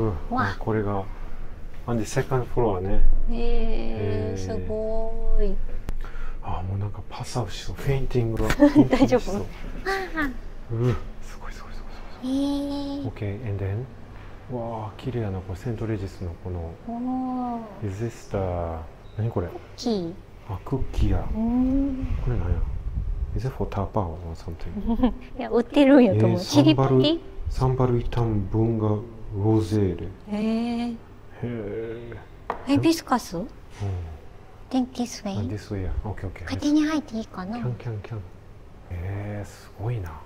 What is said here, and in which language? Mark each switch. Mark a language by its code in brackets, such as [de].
[ja] わこれがアンディセカンドフロアね。すごい。あもうなんかパサをしそう、フェインティングが大丈夫。すごいすごいすごいすごい。 [en] Okay, and then? [ja] わあ綺麗なこれセントレジスのこの。 [en] Is this the [ja] 何これ？クッキー。あクッキーや。これ何や？ [en] Is it for tapa or something? [ja] いや売ってるんやと思う。チリパリ？サンバルイタンブンガ。ロゼール。ヘビスカス？うん。 [en] Think this way. This way. Okay, okay. [ja] 勝手に入っていいかな？キャンキャンキャン。すごいな。